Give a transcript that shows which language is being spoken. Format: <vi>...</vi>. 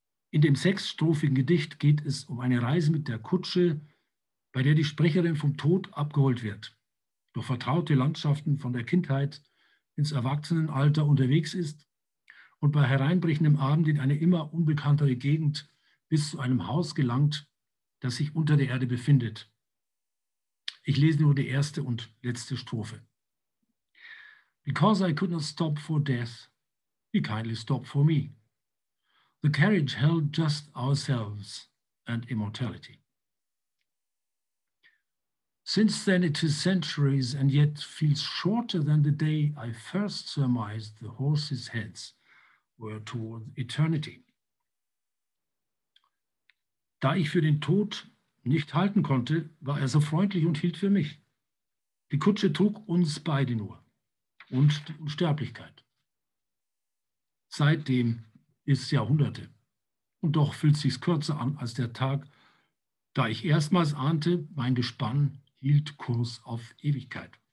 <de>In dem sechsstrophigen Gedicht geht es um eine Reise mit der Kutsche, bei der die Sprecherin vom Tod abgeholt wird, durch vertraute Landschaften von der Kindheit ins Erwachsenenalter unterwegs ist und bei hereinbrechendem Abend in eine immer unbekanntere Gegend bis zu einem Haus gelangt, das sich unter der Erde befindet. Ich lese nur die erste und letzte Strophe.</de> <en>Because I could not stop for death, he kindly stopped for me. The carriage held just ourselves and immortality. Since then it is centuries and yet feels shorter than the day I first surmised the horses' heads were toward eternity.</en> <de>Da ich für den Tod nicht halten konnte, war er so freundlich und hielt für mich. Die Kutsche trug uns beide nur und die Unsterblichkeit. Seitdem ist es Jahrhunderte und doch fühlt es sich kürzer an als der Tag, da ich erstmals ahnte, mein Gespann hielt Kurs auf Ewigkeit.</de>